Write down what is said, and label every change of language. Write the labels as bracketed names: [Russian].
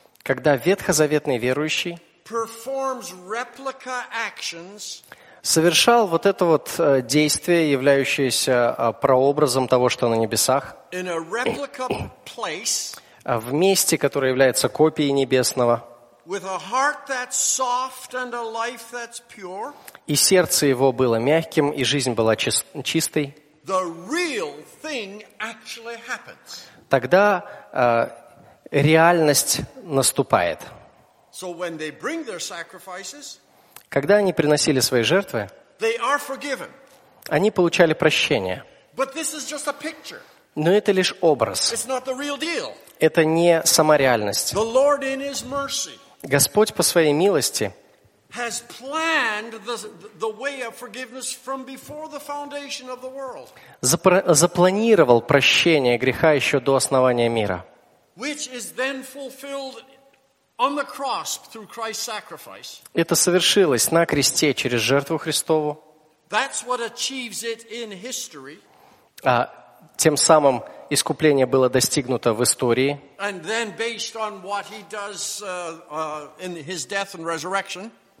[Russian] когда ветхозаветный верующий [English] performs replica actions, [Russian] совершал вот это вот действие, являющееся прообразом того, что на небесах, [English] in a replica place, [Russian] в месте, которое является копией небесного, [English] with a heart that's soft and a life that's pure, [Russian] и сердце его было мягким, и жизнь была чистой, [English] the real thing actually happens. [Russian] Тогда реальность наступает. [English] So when they bring their sacrifices, [Russian] когда они приносили свои жертвы, [English] They are forgiven. [Russian] Они получали прощение. [English] But this is just a picture. [Russian] Но это лишь образ. [English] It's not the real deal. [Russian] Это не сама реальность. [English] The Lord in His mercy. [Russian] Господь по своей милости [English] has planned the way of forgiveness from before the foundation of the world. [Russian] Запланировал прощение греха еще до основания мира. [English] Which is then fulfilled on the cross through Christ's sacrifice. [Russian] Это совершилось на кресте через жертву Христову. [English] That's what achieves it in history. [Russian] А тем самым искупление было достигнуто в истории. [English] And then based on what he does in his death and resurrection.